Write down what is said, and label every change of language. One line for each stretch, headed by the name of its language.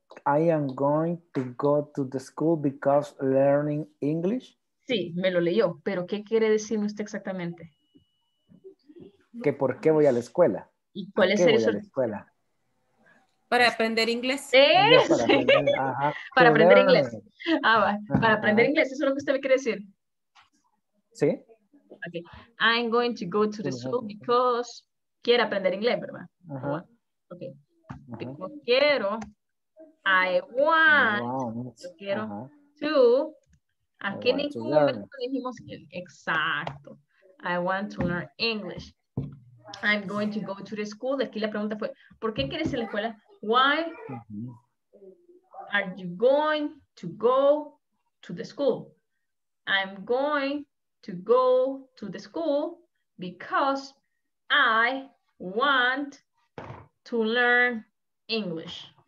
English: I am going to go to the school because learning English.
Spanish: Sí, me lo leyó, pero ¿qué quiere decirme usted exactamente? ¿Que por qué voy a la escuela? ¿Y cuál es el voy a la escuela? Para aprender inglés. ¿Es? Para aprender inglés. Ah, va. Para aprender inglés, eso es lo que usted me quiere decir. Sí.
English: Okay. I'm going to go to the school because
Spanish: quiero aprender inglés, ¿verdad? Ajá.
English: Okay.
Spanish: Ajá. Porque quiero.
English: I want to learn English. I'm going to go to the school.
Spanish: Aquí la pregunta fue, ¿por qué quieres ir a la escuela?
English: Why are you going to go to the school? I'm going to go to the school because I want to learn English.